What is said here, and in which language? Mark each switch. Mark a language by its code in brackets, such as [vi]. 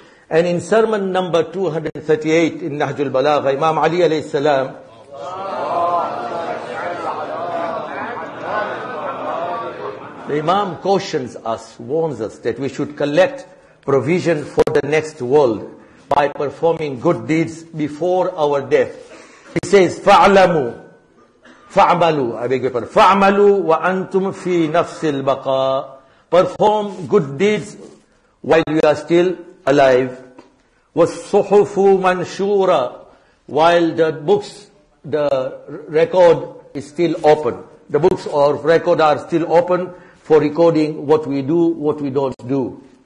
[en] And in sermon number 238 in Nahjul Balagha, Imam Ali alayhi salam, the Imam cautions us, warns us that we should collect provision for the next world by performing good deeds before our death. He says, [ar] فَعْلَمُوا فَعْمَلُوا, [en] I beg your pardon, [ar] فَعْمَلُوا وَأَنْتُمْ فِي نَفْسِ الْبَقَاءِ. [en] Perform good deeds while you are still alive. [ar] وَالصُّحُفُ مَنْشُورًا, [en] while the books, the record is still open. The books or record are still open for recording what we do, what we don't do.